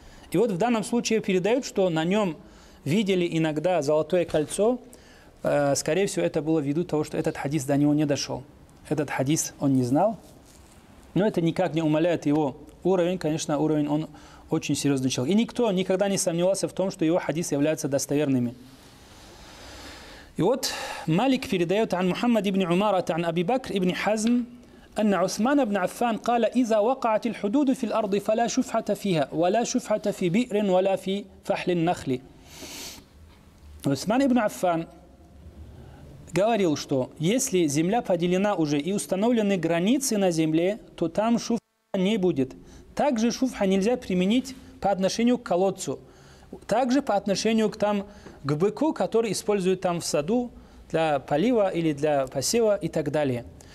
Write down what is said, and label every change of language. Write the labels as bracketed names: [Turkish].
[Russian] И вот в данном случае передают, что на нем видели иногда золотое кольцо. Скорее всего, это было ввиду того, что этот хадис до него не дошел. Этот хадис он не знал. Но это никак не умаляет его уровень. Конечно, уровень он очень серьезный человек. И никто никогда не сомневался в том, что его хадисы являются достоверными. И вот Малик передает [Arabic] عن محمد ابن عمارة عن أبي بكر ابن حزم أن عثمان بن عفان قال إذا وقعت الحدود في الأرض فلا شفعة فيها ولا شفعة في بئر ولا في فحل النخل. [Russian] Усман ибн Аффан говорил, что если земля поделена уже и установлены границы на земле, то там шуфха не будет. Также шуфха нельзя применить по отношению к колодцу. Также по отношению к быку, который используют там в саду для полива или для посева и так далее.